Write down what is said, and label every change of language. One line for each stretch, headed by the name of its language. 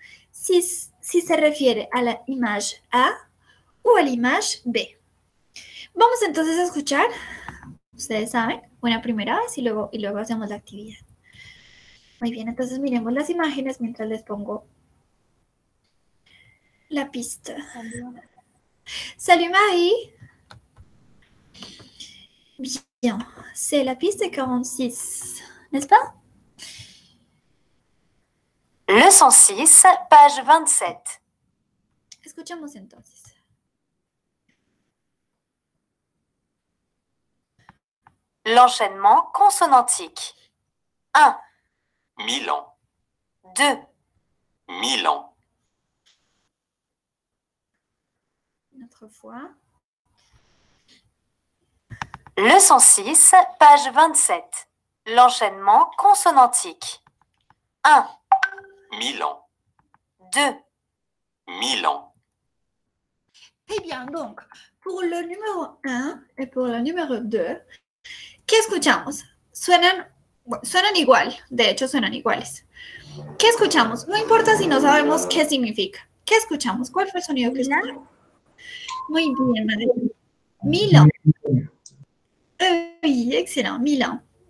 Spanish: Si se refiere a la imagen A o a la imagen B. Vamos entonces a escuchar. Ustedes saben, una primera vez y luego hacemos la actividad. Muy bien, entonces miremos las imágenes mientras les pongo la pista.
French: Salut Marie. Bien, c'est la pista 46, n'est-ce pas? Leçon 6, page 27.
Spanish: Escuchamos entonces.
French: L'enchaînement consonantique. 1. Milan. 2. Milan. Notre fois. Leçon 6, page 27. L'enchaînement consonantique. 1. Milan. 2. Milan. Très bien, donc, pour le numéro 1 et pour le numéro 2,
Spanish: ¿qué escuchamos? Suenan igual, de hecho suenan iguales. ¿Qué escuchamos? No importa si no sabemos qué significa. ¿Qué escuchamos? ¿Cuál fue el sonido que Mila. escuchamos? Muy bien, madre. Milán. Excelente, Milán.